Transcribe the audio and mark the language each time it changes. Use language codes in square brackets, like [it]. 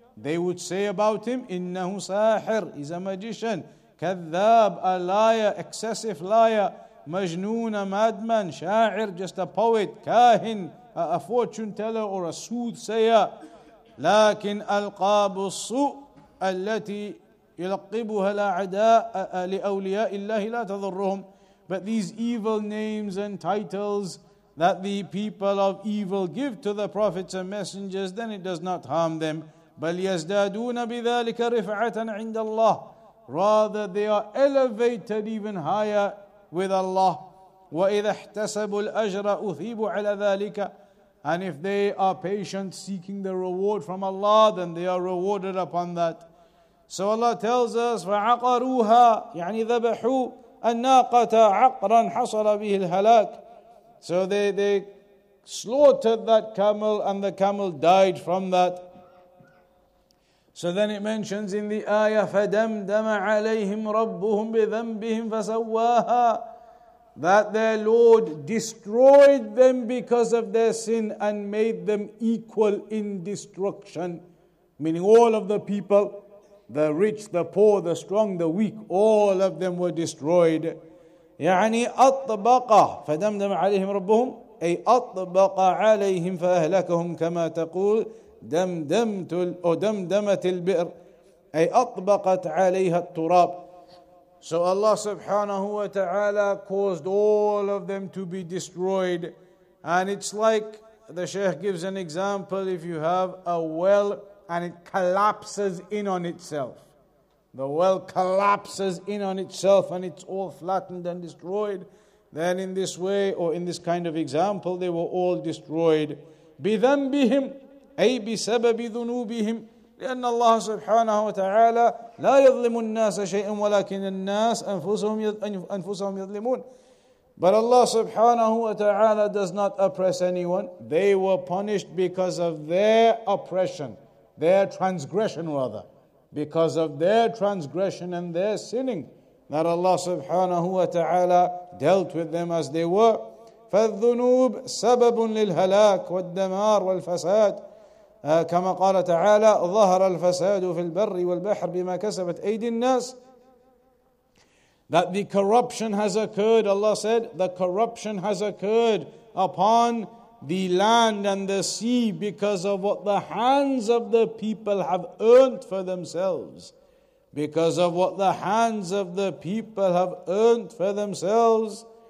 [en] they would say about him, [ar] إِنَّهُ سَاحِرٌ, [en] he's a magician, كَذَّاب, a liar, excessive liar, مَجْنُون, a madman, شَاعِر, just a poet, كَاهِن, a fortune teller or a soothsayer, [ar] لكن ألقاب السوء التي يلقبها الأعداء لأولياء الله لا تضرهم. [en] But these evil names and titles that the people of evil give to the prophets and messengers, then it does not harm them. [ar] بل يزدادون بذلك رفعة عند الله. [en] Rather, they are elevated even higher with Allah. [ar] وإذا احتسبوا الأجر أثيبوا على ذلك. [en] And if they are patient seeking the reward from Allah, then they are rewarded upon that. So Allah tells us, [ar] فَعَقَرُوهَا يعني ذَبَحُوا النَّاقَةَ عَقْرًا حَصَلَ بِهِ الْهَلَاكِ. [en] So they slaughtered that camel and the camel died from that. So then it mentions in the ayah, [ar] فَدَمْدَمَ عَلَيْهِمْ رَبُّهُمْ بِذَنْبِهِمْ فَسَوَّاهَا, [en] that their Lord destroyed them because of their sin and made them equal in destruction. Meaning all of the people, the rich, the poor, the strong, the weak, all of them were destroyed. [ar] يعني أطبق فدمدم عليهم ربهم أي أطبق عليهم فأهلكهم كما تقول دمدمت أو دمدمت البئر أي أطبقت عليها التراب. [en] So Allah subhanahu wa ta'ala caused all of them to be destroyed. And it's like, the Shaykh gives an example, if you have a well and it collapses in on itself. The well collapses in on itself and it's all flattened and destroyed. Then in this way, or in this kind of example, they were all destroyed. [ar] بِذَنْبِهِمْ أي بِسَبَبِ ذُنُوبِهِمْ. لأن الله سبحانه وتعالى لا يظلم الناس شيئا ولكن الناس أنفسهم يظلمون. [en] But Allah سبحانه وتعالى does not oppress anyone. They were punished because of their oppression, their transgression rather, because of their transgression and their sinning, that Allah سبحانه وتعالى dealt with them as they were. [ar] فالذنوب سبب للهلاك والدمار والفساد. كما قال تعالى ظهر الفساد في البر والبحر بما كسبت أيدي الناس. [en] That the corruption has occurred, Allah said, the corruption has occurred upon the land and the sea because of what the hands of the people have earned for themselves. Because of what the hands of the people have earned for themselves.